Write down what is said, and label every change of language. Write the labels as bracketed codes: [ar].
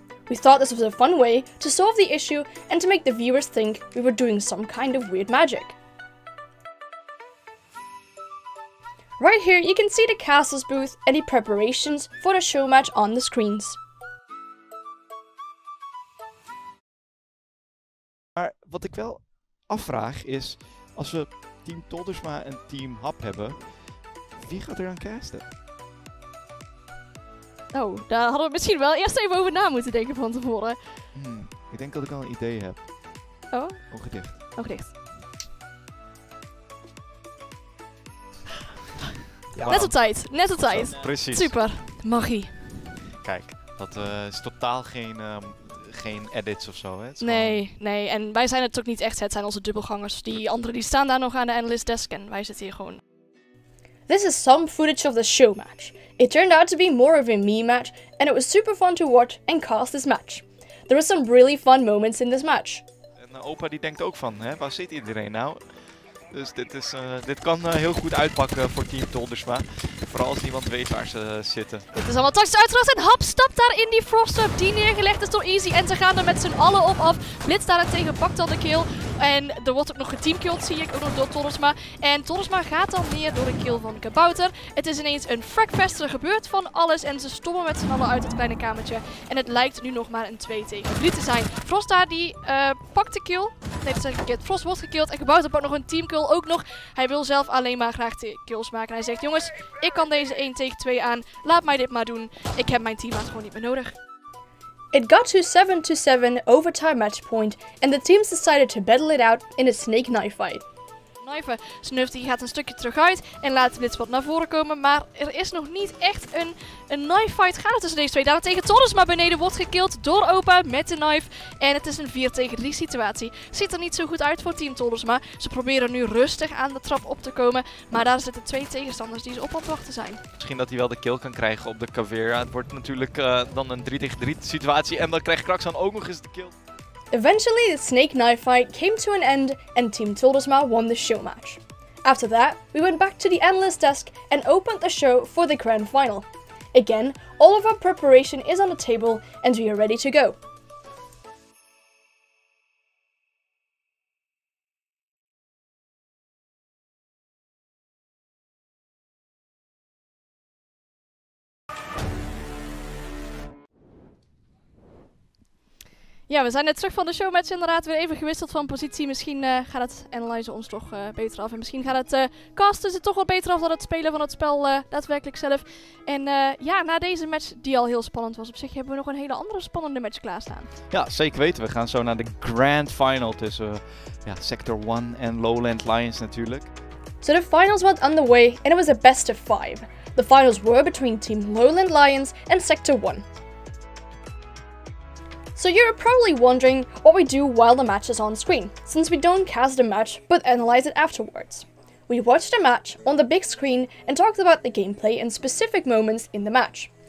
[en] We thought this was a fun way to solve the issue and to make the viewers think we were doing some kind of weird magic. Right here you can see the caster's booth and the preparations for the show match on the screens. [nl] Maar wat ik wel afvraag is, als we team Toldersma en team Hub hebben, wie gaat er aan casten? Oh, daar hadden we misschien wel eerst even over na moeten denken van tevoren. Ik denk dat ik al een idee heb. Oh? Ogen dicht. Ogen dicht. Ja, net op tijd, net op tijd. Precies. Super, magie. Kijk, dat is totaal geen, geen edits of zo. Hè? Het nee, gewoon... nee. En wij zijn het ook niet echt. Het zijn onze dubbelgangers. Die anderen die staan daar nog aan de analyst desk en wij zitten hier gewoon... [en] This is some footage of the show match. It turned out to be more of a me match, and it was super fun to watch and cast this match. There were some really fun moments in this match. [nl] En opa die denkt ook van, hè, waar zit iedereen nou? Dus dit, is, dit kan heel goed uitpakken voor Team Toldersma. Vooral als niemand weet waar ze zitten. Dit is allemaal tactisch uitgedacht en Hub stapt daar in die frostwap die neergelegd is door Easy. En ze gaan er met z'n allen op af. Blitz daarentegen pakt al de kill. En er wordt ook nog geteamkilled, zie ik ook nog door Toldersma. En Toldersma gaat dan neer door een kill van Kabouter. Het is ineens een fragfest, er gebeurt van alles. En ze stommen met z'n allen uit het kleine kamertje. En het lijkt nu nog maar een 2 tegen 3 te zijn. Frost daar die pakt de kill. Nee, dat zeg ik het. Frost wordt gekilled. En Kabouter pakt nog een teamkill ook nog. Hij wil zelf alleen maar graag de kills maken. En hij zegt, jongens, ik kan deze 1 tegen 2 aan. Laat mij dit maar doen. Ik heb mijn teammaat gewoon niet meer nodig. [en] It got to 7-7 overtime match point, and the teams decided to battle it out in a snake knife fight. [nl] knijpen. Snufty gaat een stukje terug uit en laat dit wat naar voren komen. Maar er is nog niet echt een knife fight gaande tussen deze twee. Daarentegen Thomas maar beneden wordt gekild door opa met de knife. En het is een 4 tegen 3 situatie. Ziet er niet zo goed uit voor team Thomas, maar ze proberen nu rustig aan de trap op te komen. Maar daar zitten twee tegenstanders die ze op wachten zijn. Misschien dat hij wel de kill kan krijgen op de Kavera. Het wordt natuurlijk dan een 3 tegen 3 situatie. En dan krijgt Kraxan ook nog eens de kill. [en] Eventually, the snake knife fight came to an end and Team Tildesma won the show match. After that, we went back to the analyst desk and opened the show for the grand final. Again, all of our preparation is on the table and we are ready to go. [nl] Ja, we zijn net terug van de showmatch inderdaad. Weer even gewisseld van positie. Misschien gaat het analyzen ons toch beter af. En misschien gaat het casten ze toch wat beter af dan het spelen van het spel daadwerkelijk zelf. En ja, na deze match die al heel spannend was op zich, hebben we nog een hele andere spannende match klaarstaan. Ja, zeker weten. We gaan zo naar de grand final tussen Sector 1 en Lowland Lions natuurlijk. [en] So the finals went underway and it was a best of 5. The finals were between team Lowland Lions and Sector 1. So you're probably wondering what we do while the match is on screen, since we don't cast the match but analyze it afterwards. We watched the match on the big screen and talked about the gameplay and specific moments in the match.